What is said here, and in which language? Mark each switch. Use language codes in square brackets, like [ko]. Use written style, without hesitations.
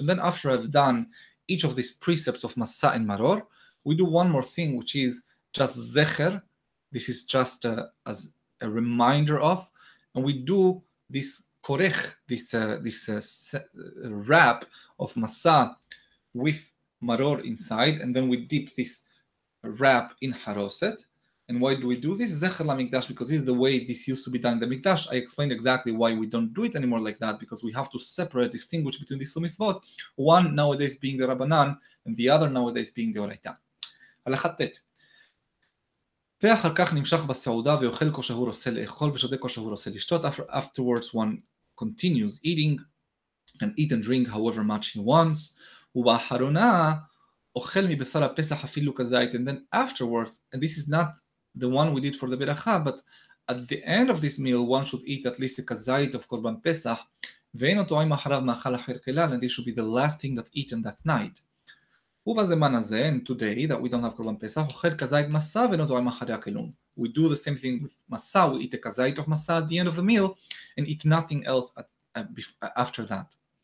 [en] And then after I've done each of these precepts of masa and maror, we do one more thing, which is just zecher, this is just as a reminder of, and we do this korech, this wrap of masa with maror inside, and then we dip this wrap in haroset. And why do we do this? Zecher la mikdash, because this is the way this used to be done in the mikdash. I explained exactly why we don't do it anymore like that, because we have to separate, distinguish between these two mitzvot, one nowadays being the Rabbanan, and the other nowadays being the Oraita. [he] Halachat tet. ואחר כך נמשך בסעודה ואוכל כל שהוא רוצה לאכול ושותה כל שהוא רוצה לשתות. [en] Afterwards one continues eating and eat and drink however much he wants. [he] ובאחרונה אוכל מבשר הפסח אפילו כזית. [en] And then afterwards, and this is not the one we did for the ברכה, but at the end of this meal, one should eat at least a kazayit of Korban Pesach, [he] ואינו טועם אחריו מאכל אחר כלל, [en] and this should be the last thing that's eaten that night. [he] ובזמן הזה, [en] and today, that we don't have Korban Pesach, [he] אוכל כזית מסע ואינו טועם אחרי הכלום. [en] We do the same thing with מסע, we eat a כזית of מסע at the end of the meal, and eat nothing else after that.